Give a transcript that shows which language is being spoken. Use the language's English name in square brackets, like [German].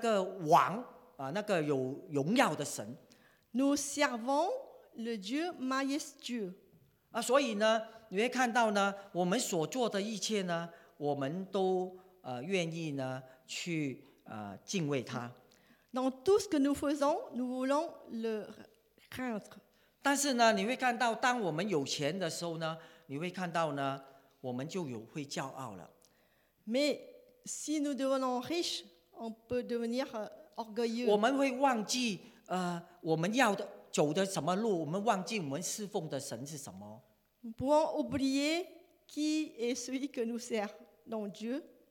[Chinese] 啊，我们呢是依靠那位那个有尊荣我们服侍那个王啊，那个有荣耀的神。 [French] Nous servons le Dieu majestueux. [Chinese] 所以呢，你会看到呢，我们所做的一切呢，我们都愿意呢去敬畏他。 [French] Dans tout ce que nous faisons, nous voulons le craindre. [Chinese] 但是呢，你会看到，当我们有钱的时候呢，你会看到呢，我们就会骄傲了。 [French] Mais si nous devenons riches, on peut devenir orgueilleux. [Chinese] 我们会忘记我们要走的什么路，我们忘记我们侍奉的神是什么。 [French] Nous pouvons oublier qui est celui que nous sert, donc Dieu.